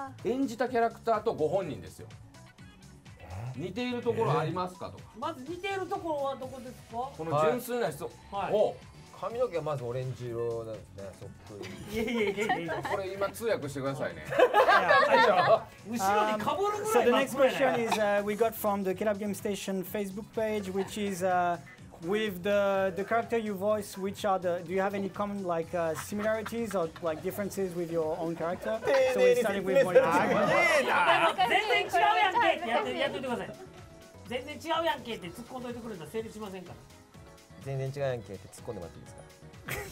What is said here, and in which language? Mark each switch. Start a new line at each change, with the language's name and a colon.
Japanese: 演じたキャラクターとご本人ですよ。似ているところありますかとか、まず似ているところはどこですか。この純粋な質問、はいはい、髪の毛はまずオレンジ色なんですね、そっくり。いやこれ今通訳してくださいね。後ろに被るぐらい。
English: So the next question is we got from the Kelab Game Station Facebook page, which is with the character you voice, which are the do you have any common like similarities or like differences with your own character? So we started with Morita.
Japanese: 全然違うやんけってやってください。全然違うやんけって突っ込んでくれたら成立しませんから。全然違うやんけって突っ込んでもらってい